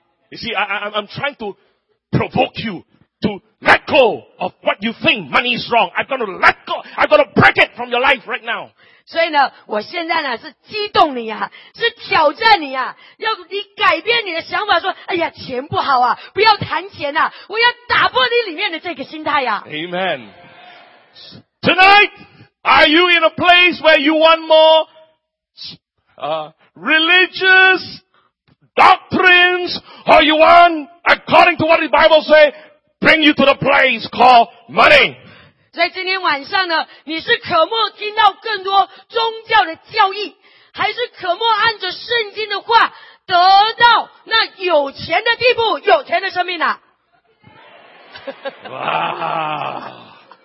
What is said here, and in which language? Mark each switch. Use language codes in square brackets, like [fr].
[en] You see, I'm trying to provoke you to let go of what you think money is wrong. I'm going to let go. I'm going to break it from your life right now. [zh] 所以呢我现在呢是激动你啊，是挑战你啊，要你改变你的想法，说哎呀钱不好啊，不要谈钱啊，我要打破你里面的这个心态啊。 [en] Amen. Tonight, are you in a place where you want more religious doctrines, or you want, according to what the Bible say, bring you to the place called money? [zh] 在今天晚上呢，你是渴慕听到更多宗教的教义，还是渴慕按着圣经的话得到那有钱的地步，有钱的生命呢？哇